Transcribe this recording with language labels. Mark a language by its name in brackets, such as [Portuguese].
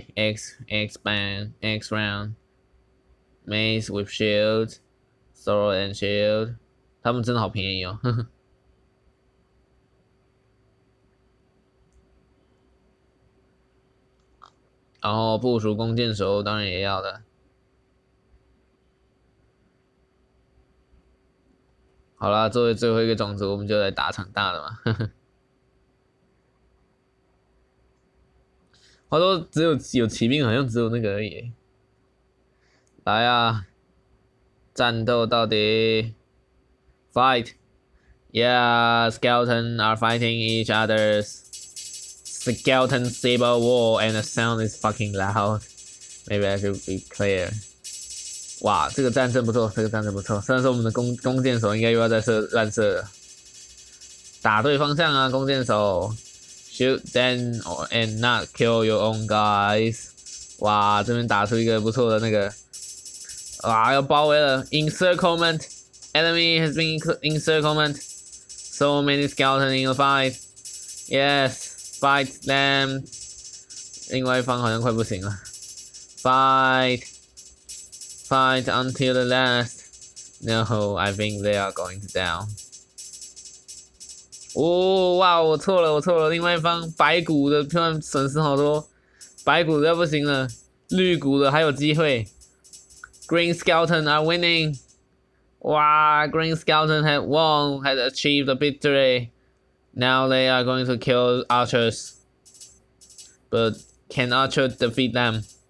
[English] X band, X round, Maze with shield, sword and shield。 [Chinese] 他们真的好便宜哦，呵呵。然后部署弓箭手当然也要的。好啦，作为最后一个种族，我们就来打场大的嘛，呵呵。话说，只有骑兵，好像只有那个而已。来啊，战斗到底，fight！ [English] Yeah, skeletons are fighting each other's skeleton saber war, and the sound is fucking loud. Maybe I should be clear. [Chinese] 哇，这个战争不错，这个战争不错。虽然说我们的弓箭手应该又要再射乱射了，打对方向啊，弓箭手。 [English] Shoot them and not kill your own guys. [Chinese] 哇，这边打出一个不错的那个，哇，要包围了。 [English] Encirclement, enemy has been encirclement. So many skeleton in the fight. Yes, fight them. [Chinese] 另外一方好像快不行了。 [English] Fight, fight until the last. No, I think they are going to die. 哦，哇！ [Chinese] 我错了，另外一方白骨的突然损失好多，白骨的要不行了，绿骨的还有机会。 [English] Green skeleton are winning， 哇！Green skeleton had won， had achieved a victory， now they are going to kill archers， but can archers defeat them？